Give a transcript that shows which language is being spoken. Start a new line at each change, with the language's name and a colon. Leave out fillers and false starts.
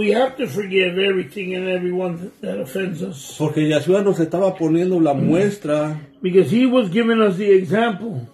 English: We have to forgive everything and everyone that offends us.
Spanish: Porque Yeshua nos estaba poniendo la muestra.
English: Because he was giving us the example.